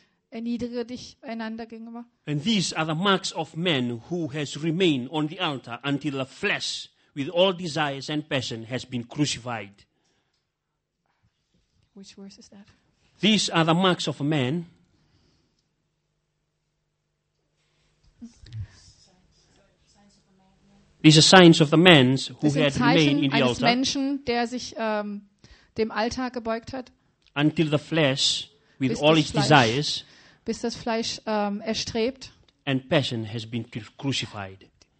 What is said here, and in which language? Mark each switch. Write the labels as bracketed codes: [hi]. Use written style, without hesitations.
[de] Erniedrige dich einander gegenüber. [en] And these are the marks of man who has remained on the altar until the flesh with all desires and passion has been crucified. Which verse is that? These are the marks of a man. These are signs of the man who had remained in the altar. [de] Menschen, der sich dem Altar gebeugt hat. [en] Until the flesh with all its desires. [de] Bis das Fleisch erstrebt. [en] And passion has been crucified.